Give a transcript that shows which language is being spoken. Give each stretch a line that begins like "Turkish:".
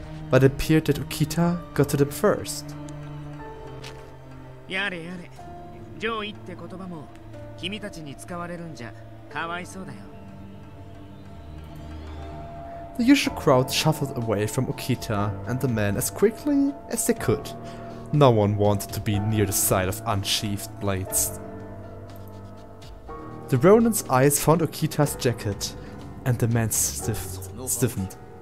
English: But it appeared that Okita got to them first.
Japanese: やれやれ。上位って言葉も君たちに使われるんじゃかわいそうだよ。
English: The usual crowd shuffled away from Okita and the men as quickly as they could. No one wanted to be near the sight of unsheathed blades. The Ronin's eyes found Okita's jacket and the men stiffened.